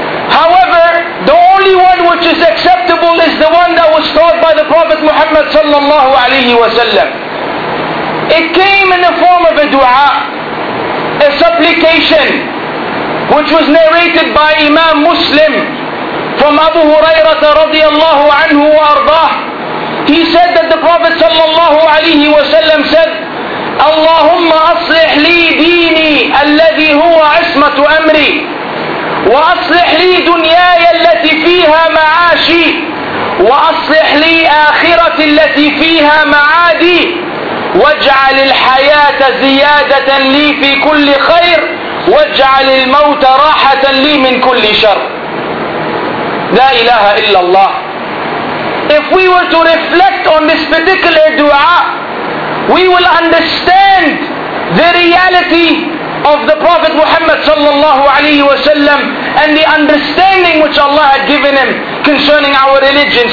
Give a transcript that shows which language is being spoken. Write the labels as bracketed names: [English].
[English] However, the only one which is acceptable is the one that was taught by the Prophet Muhammad sallallahu alayhi wa sallam. It came in the form of a dua, a supplication, which was narrated by Imam Muslim from Abu Hurairah radiallahu anhu wa ardah. He said that the Prophet sallallahu alayhi wa sallam said, [Arabic] Allahumma aslih li dini alladhi huwa ismatu amri, وأصلح لي دنياي التي فيها معاشي، وأصلح لي آخرتي التي فيها معادي، واجعل الحياة زيادة لي في كل خير، واجعل الموت راحة لي من كل شر. لا إله إلا الله. [English] If we were to reflect on this particular dua, we will understand the reality of the Prophet Muhammad sallallahu alayhi wa sallam, and the understanding which Allah had given him concerning our religion.